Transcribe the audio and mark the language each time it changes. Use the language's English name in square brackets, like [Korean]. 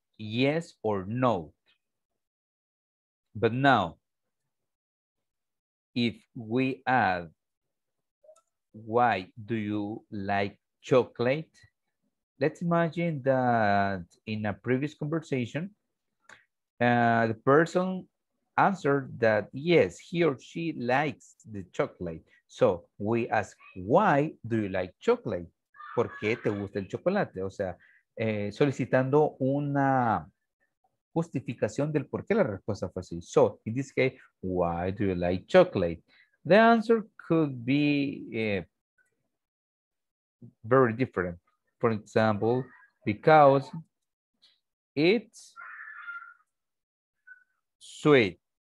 [English] yes or no. But now, if we add, why do you like chocolate? Let's imagine that in a previous conversation, the person answered that yes, he or she likes the chocolate. So we ask, why do you like chocolate? [Spanish] ¿Por qué te gusta el chocolate? O sea, solicitando una justificación del por qué la respuesta fue así. [English] So in this case, why do you like chocolate? The answer could be very different. For example, because it's sweet.